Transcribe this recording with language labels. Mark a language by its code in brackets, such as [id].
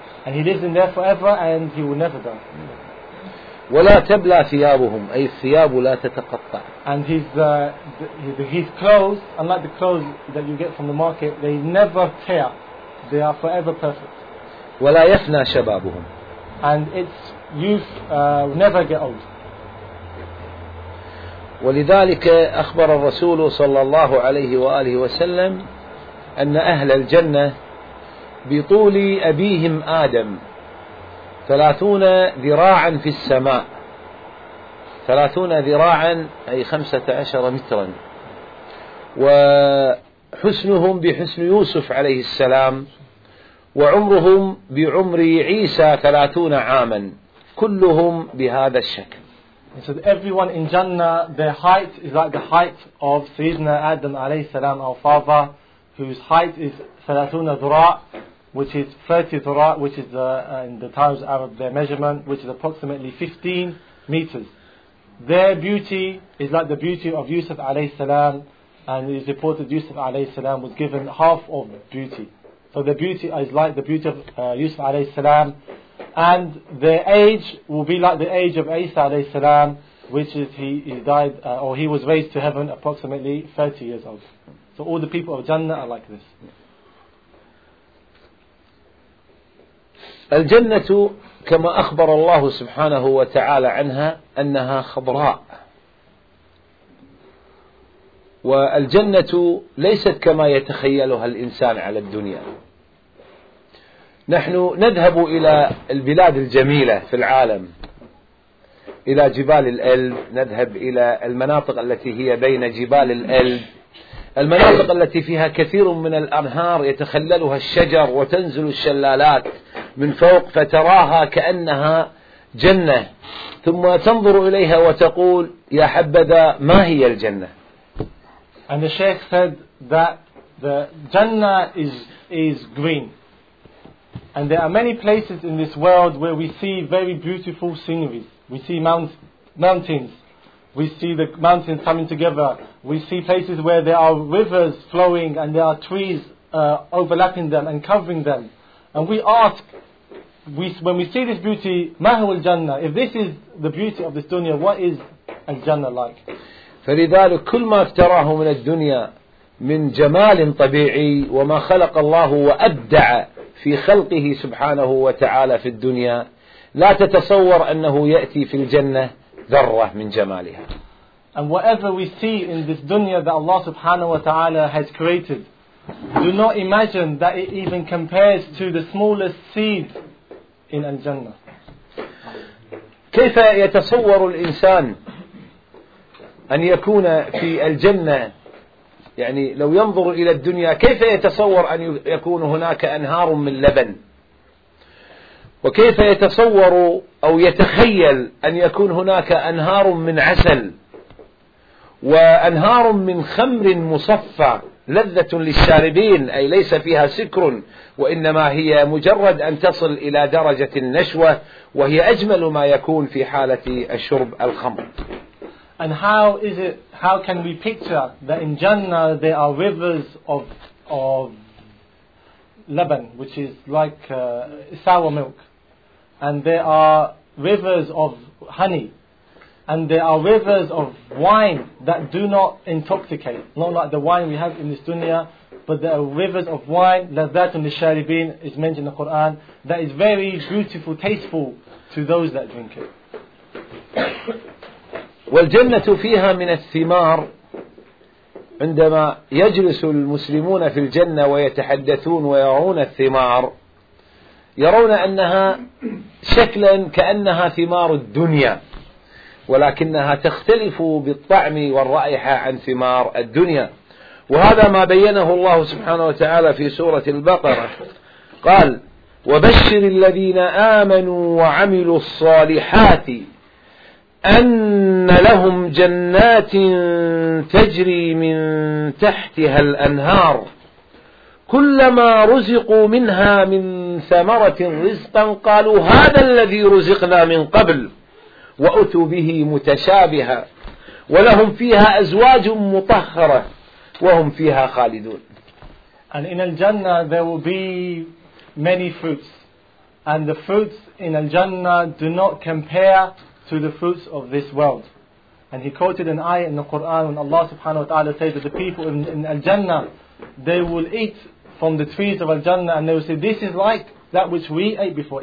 [en] And he lives in there forever and he will never die. [ar] ولا تبلى ثيابهم أي الثياب لا تتقطع. [en] And his clothes, unlike the clothes that you get from the market, they never tear. They are forever perfect. [ar] ولا يفنى شبابهم. [en] And its youth never get old. [ar] ولذلك أخبر الرسول صلى الله عليه وآله وسلم أن أهل الجنة بطول أبيهم آدم. 30 ذراعا في السماء 30 ذراعا أي 15 مترا وحسنهم بحسن يوسف عليه السلام وعمرهم بعمر عيسى 30 عاما كلهم بهذا الشكل. [en] He said, everyone in Jannah, their height is like the height of Sayyidina Adam alayhi salam, our father, whose height is 30 dhura', which is 30 dhura', which is in the times of Arab, their measurement, which is approximately 15 meters. Their beauty is like the beauty of Yusuf alayhi salam, and it is reported Yusuf alayhi salam was given half of beauty. So their beauty is like the beauty of Yusuf alayhi salam. And their age will be like the age of Isa alayhi salam, which is he was raised to heaven approximately 30 years old. So all the people of Jannah are like this. [ar] الجنه كما اخبر الله سبحانه وتعالى عنها انها خضراء. والجنه ليست كما يتخيلها الانسان على الدنيا. نحن نذهب إلى البلاد الجميلة في العالم، إلى جبال الألب، نذهب إلى المناطق التي هي بين جبال الألب، المناطق التي فيها كثير من الأنهار يتخللها الشجر وتنزل الشلالات من فوق، فتراها كأنها جنة، ثم تنظر إليها وتقول يا حبذا ما هي الجنة. [en] And the Sheikh said that the Jannah is green. And there are many places in this world where we see very beautiful sceneries. We see mountains. We see the mountains coming together. We see places where there are rivers flowing and there are trees overlapping them and covering them. And we ask, when we see this beauty, [ar] ما هو الجنة? [en] If this is the beauty of this dunya, what is الجنة like? [ar] فلذلك كل ما افتراه من الدنيا من جمال طبيعي وما خلق الله وأبدع في خلقه سبحانه وتعالى في الدنيا لا تتصور أنه يأتي في الجنة ذرة من جمالها. [en] And whatever we see in this dunya that Allah subhanahu wa ta'ala has created, do not imagine that it even compares to the smallest seed in al-jannah. [ar] كيف يتصور الإنسان أن يكون في الجنة؟ يعني لو ينظر إلى الدنيا كيف يتصور أن يكون هناك أنهار من لبن؟ وكيف يتصور أو يتخيل أن يكون هناك أنهار من عسل وأنهار من خمر مصفى لذة للشاربين، أي ليس فيها سكر وإنما هي مجرد أن تصل إلى درجة النشوة وهي أجمل ما يكون في حالة الشرب الخمر. [en] And how is it? How can we picture that in Jannah there are rivers of laban, which is like sour milk, and there are rivers of honey, and there are rivers of wine that do not intoxicate, not like the wine we have in this dunya, but there are rivers of wine that on the sharibin is mentioned in the Quran that is very beautiful, tasteful to those that drink it. [ar] والجنة فيها من الثمار، عندما يجلس المسلمون في الجنة ويتحدثون ويرون الثمار يرون أنها شكلا كأنها ثمار الدنيا، ولكنها تختلف بالطعم والرائحة عن ثمار الدنيا. وهذا ما بينه الله سبحانه وتعالى في سورة البقرة، قال وبشر الذين آمنوا وعملوا الصالحات أن لهم جنات تجري من تحتها الأنهار كلما رزقوا منها من ثمرة رزقا قالوا هذا الذي رزقنا من قبل وأتوا به متشابها ولهم فيها أزواج مطهرة وهم فيها خالدون. [en] And in al-Jannah there will be many fruits, and the fruits in al-Jannah do not compare to the fruits of this world. And he quoted an ayah in the Quran when Allah subhanahu wa ta'ala says that the people in Al-Jannah, they will eat from the trees of Al-Jannah and they will say, this is like that which we ate before.